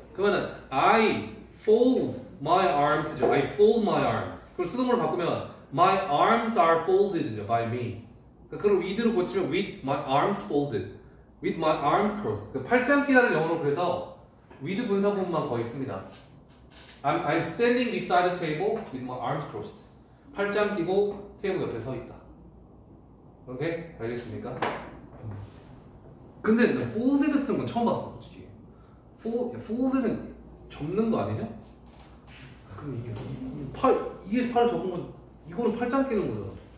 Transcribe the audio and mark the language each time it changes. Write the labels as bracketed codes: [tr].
[en] 그러면 I fold my arms죠. I fold my arms. [ko] 그걸 수동으로 바꾸면 [en] My arms are folded죠. By me. [ko] 그걸 with로 고치면 [en] with my arms folded. With my arms crossed. [ko] 그 팔짱 끼다를 영어로 그래서 with 분사 부분만 더 있습니다. [en] I'm standing beside the table with my arms crossed. [ko] 팔짱 끼고 테이블 옆에 서 있다. 오케이? 알겠습니까? 근데 나 folded 쓰는 건 처음 봤어, 솔직히. folded은 접는 거 아니냐? 근데 이게 팔 접은 건, 이거는 팔짱 끼는 거잖아.